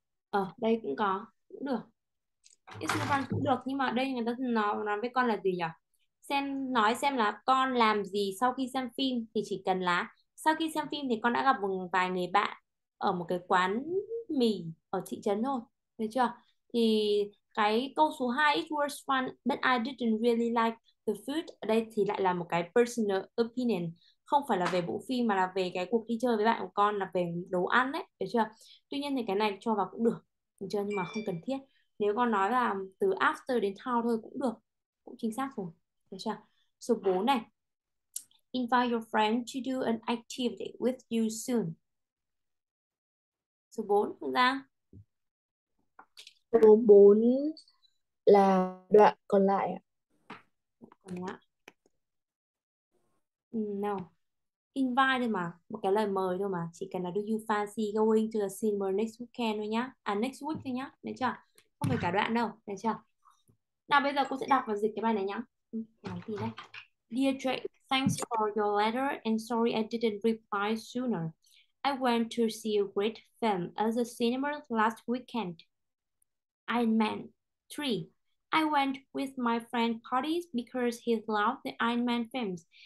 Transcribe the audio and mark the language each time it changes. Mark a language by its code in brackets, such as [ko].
[vi] Ở đây cũng có, cũng được. [en] It's not fun [vi] cũng được, nhưng mà đây người ta nói với con là gì nhỉ? Xem, nói xem là con làm gì sau khi xem phim thì chỉ cần là sau khi xem phim thì con đã gặp một vài người bạn ở một cái quán mì ở thị trấn thôi. Được chưa? Thì cái câu số 2 [en] it was fun but I didn't really like the food. [vi] Ở đây thì lại là một cái personal opinion, không phải là về bộ phim mà là về cái cuộc đi chơi với bạn của con, là về đồ ăn đấy, được chưa? Tuy nhiên thì cái này cho vào cũng được, được chưa? Nhưng mà không cần thiết. Nếu con nói là từ after đến sau thôi cũng được, cũng chính xác rồi, được chưa? Số 4 này. [en] Invite your friend to do an activity with you soon. [vi] Số 4, Hương Giang. Số 4 là đoạn còn lại ạ. Còn lại. [en] No. [vi] Invite mà, một cái lời mời thôi mà, chỉ cần là [en] do you fancy going to the cinema next weekend [vi] thôi nhá. À next week thôi nhá, được chưa? Không phải cả đoạn đâu, được chưa? Nào bây giờ cô sẽ đọc và dịch cái bài này nhá. Nói gì đây? [en] Dear Drake, thanks for your letter and sorry I didn't reply sooner. I went to see a great film at the cinema last weekend. Iron Man 3. I went with my friend Patty because he loved the Iron Man films.